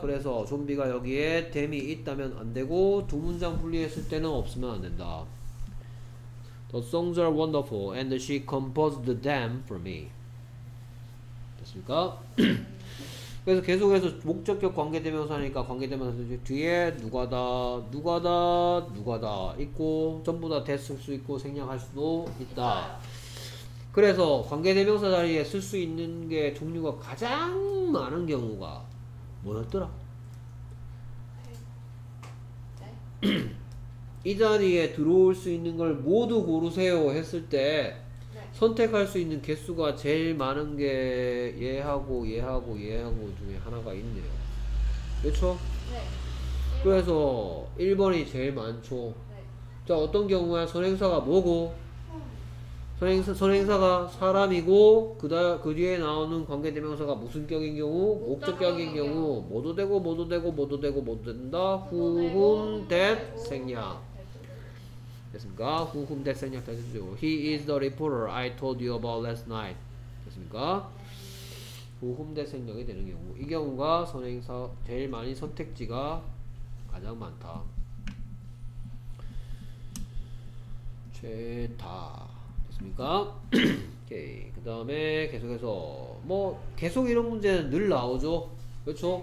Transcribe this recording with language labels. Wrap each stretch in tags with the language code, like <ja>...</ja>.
<ko>그래서 좀비가 여기에 댐이 있다면 안 되고 두 문장 분리했을 때는 없으면 안 된다.</ko> <en>The songs are wonderful and she composed the dam for me.</en> <ko>됐습니까? 그래서 계속해서 목적격 관계대명사니까 관계대명사 뒤에 누가다 있고 전부 다 됐을 수 있고 생략할 수도 있다. 그래서 관계대명사 자리에 쓸 수 있는 게 종류가 가장 많은 경우가 뭐였더라? 이 자리에 들어올 수 있는 걸 모두 고르세요 했을 때 선택할 수 있는 개수가 제일 많은 게 얘하고 중에 하나가 있네요. 그렇죠? 네. 그래서 1번이 제일 많죠. 네. 자, 어떤 경우야? 선행사가 뭐고? 선행사가 사람이고 그 뒤에 나오는 관계대명사가 무슨 격인 경우? 목적격인 경우 모두 되고 모두 된다. whom, that, 생략. 됐습니까? Who, whom, that, 생략 되죠.</ko> <en>He is the reporter I told you about last night.</en> <ko>됐습니까? Who, whom, that, 생략이 되는 경우. 이 경우가 선행사 제일 많이 선택지가 가장 많다. 최다. 됐습니까? 오케이. 그 다음에 계속해서 뭐 계속 이런 문제는 늘 나오죠. 그렇죠?</ko>